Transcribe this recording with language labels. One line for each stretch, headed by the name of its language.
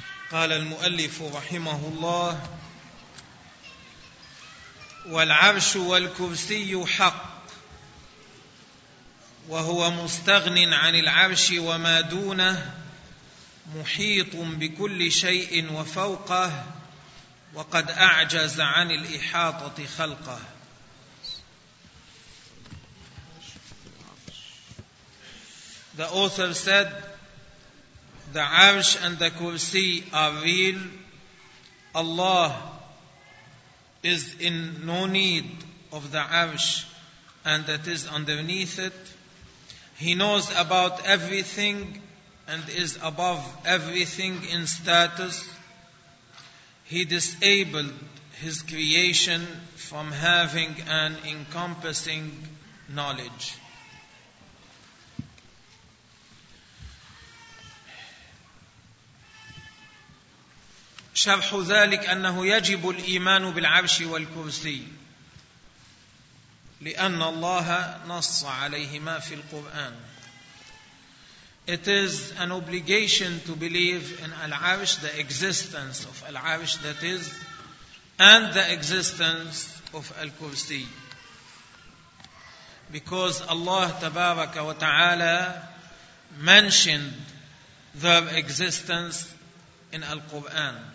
Arabic: قال المؤلف رحمه الله: والعرش والكرسي حق، وهو مستغن عن العرش وما دونه، محيط بكل شيء وفوقه، وقد أعجز عن الإحاطة خلقه.
English: The author said, the arsh and the kursi are real. Allah is in no need of the arsh and that is underneath it. He knows about everything and is above everything in status. He disabled his creation from having an encompassing knowledge.
Arabic: شرح ذلك أنه يجب الإيمان بالعرش والكرسي لأن الله نص عليهما في القرآن.
English: It is an obligation to believe in Al-Arsh, the existence of Al-Arsh that is, and the existence of Al-Kursi. Because Allah تبارك وتعالى mentioned their existence in Al-Quran.